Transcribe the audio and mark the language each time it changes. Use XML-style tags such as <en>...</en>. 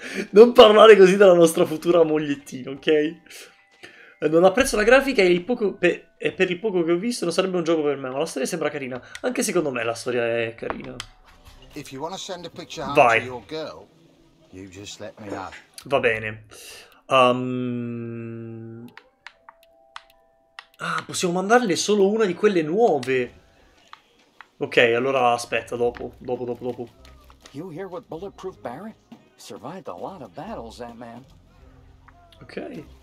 <it>Non parlare così della nostra futura mogliettina, ok? Non apprezzo la grafica e, per il poco che ho visto non sarebbe un gioco per me, ma la storia sembra carina. Anche secondo me la storia è carina.</it> <en>If you wanna send a picture to your girl, you just let me know.</en> <it>Va bene. Ah, possiamo mandarle solo una di quelle nuove. Ok, allora aspetta, dopo.</it> <en>You hear what Bulletproof Barrett? Survived a lot of battles, that man. Ok.</en>